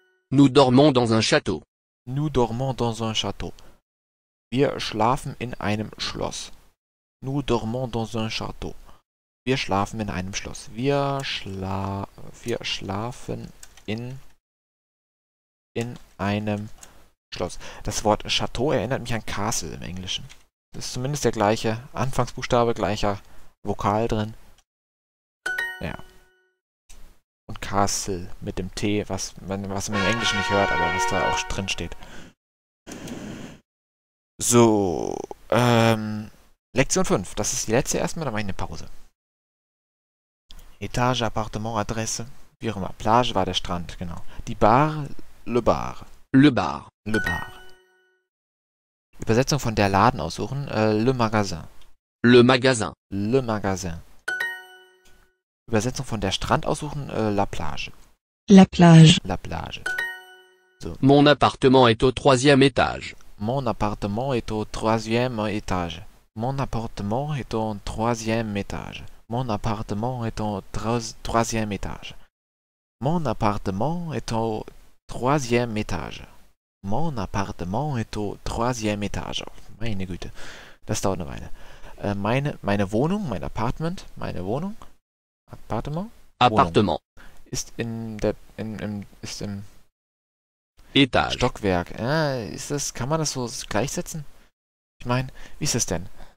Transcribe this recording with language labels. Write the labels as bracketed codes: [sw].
[fr] Nous dormons dans un château. Nous dormons dans un château. [de] Wir schlafen in einem Schloss. [fr] Nous dormons dans un château. [de] Wir schlafen in einem Schloss. Wir schlafen in einem Schloss. Das Wort Château erinnert mich an Castle im Englischen. Das ist zumindest der gleiche Anfangsbuchstabe, gleicher Vokal drin. Ja. Und Castle mit dem T, was man im Englischen nicht hört, aber was da auch drin steht. So, Lektion 5, das ist die letzte erstmal, dann mache ich eine Pause. Etage, Appartement, Adresse, wie auch immer. Plage war der Strand, genau. Die Bar, le Bar. [fr] Le bar. Le Bar. [de] Übersetzung von der Laden aussuchen, le Magasin. [fr] Le magasin. Le Magasin. [de] Übersetzung von der Strand aussuchen, la Plage. [fr] La plage. La Plage. So. Mon appartement est au troisième étage. Mon appartement est au troisième étage. Mon appartement est au troisième étage. Mon appartement est au troisième étage. Mon appartement est au troisième étage. Mon appartement est au troisième étage. [de] Meine Güte, das dauert eine Weile. Meine Wohnung, mein Apartment, meine Wohnung, Appartement, [fr] Appartement. [de] Wohnung ist in der, ist im [fr] Etage. [de] Stockwerk. Ist das, kann man das so gleichsetzen? Ich meine, wie ist das denn?